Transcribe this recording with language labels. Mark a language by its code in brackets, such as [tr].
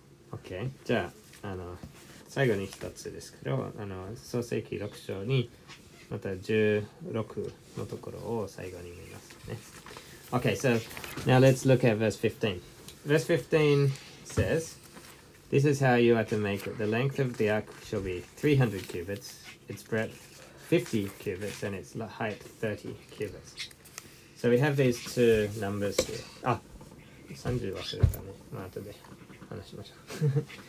[ja] はい、 OK。じゃああの最後に一つですけど、あの創世記6章にまた16のところを最後に見ますね。 [en] OK, so now let's look at verse 15. Verse 15 says, This is how you are to make it. The length of the ark shall be 300 cubits, its breadth 50 cubits, and its height 30 cubits. So we have these two numbers here. [ja] あ、30忘れたね。まあ後で話しましょう。